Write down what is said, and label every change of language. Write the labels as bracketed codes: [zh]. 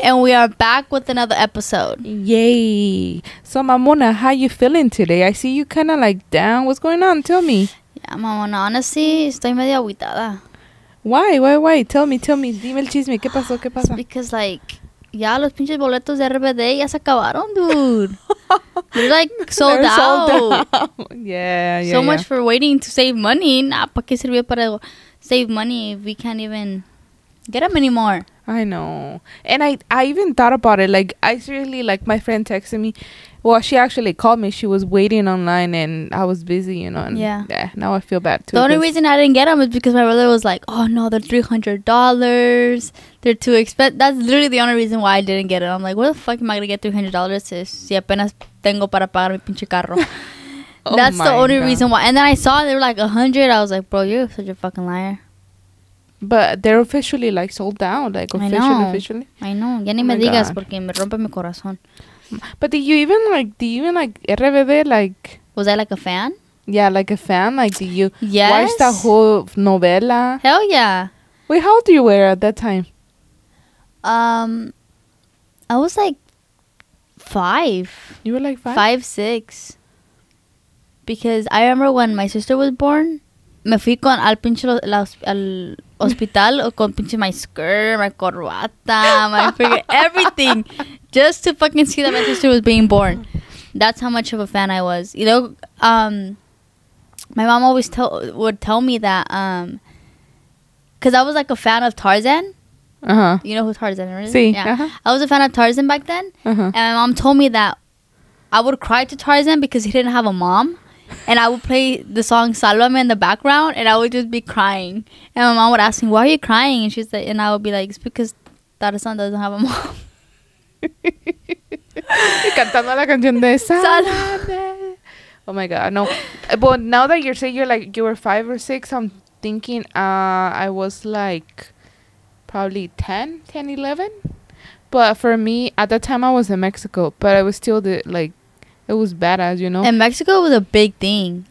[en] And we are back with another episode. Yay. So Mamona, how you feeling today? I see you kind of like down. What's going on? Tell me. Yeah, Mamona, honestly, [es] estoy medio agüitada. [en] Why? Tell me. [es] Dime el chisme. ¿Qué pasó? [en] It's because like, [es] ya los pinches boletos de RBD ya se acabaron, [en] dude. They're like sold They're out. Sold out. Yeah. So much for waiting to save money. Nah, [es] ¿pa qué sirvió para [en] save money if we can't even get them anymore? I know. And I even thought about it. Like, I seriously, like, my friend texted me. Well, she actually called me. She was waiting online and I was busy, you know. And yeah. Now I feel bad too. The only reason I didn't get them is because my brother was like, oh no, they're $300. They're too expensive. That's literally the only reason why I didn't get it. I'm like, where the fuck am I going to get $300 [es] si apenas tengo para pagar mi pinche carro? [en] That's the only reason why. And then I saw they were like $100. I was like, bro, you're such a fucking liar. But they're officially like sold out. Like officially. I know. [es] Ya ni me digas porque me rompe mi corazón. [en] But do you even like RBD, like, was I like a fan? Yeah, like a fan. Like, do you, yes, watch the whole novela? Hell yeah. Wait, how old you were at that time? I was like 5. You were like 5? 5, 6. Because I remember when my sister was born, [es] me fui con al pinche al hospital con pinche [en] my skirt, my corbata, my figure, everything. Just to fucking see that my sister was being born. That's how much of a fan I was. You know, my mom always would tell me that, because I was like a fan of Tarzan. Uh-huh. You know who Tarzan is? See, yeah. Uh-huh. I was a fan of Tarzan back then. Uh-huh. And my mom told me that I would cry to Tarzan because he didn't have a mom. And I would play the song Salome in the background and I would just be crying. And my mom would ask me, why are you crying? And she's like, and I would be like, it's because Tarzan doesn't have a mom. [es] Cantando la canción de Salome. [en] Oh my god, no. But now that you're saying you're like, you were 5 or 6, I'm thinking I was like probably 10, 11. But for me, at that time I was in Mexico, but I was still it was badass, you know? And Mexico was a big thing.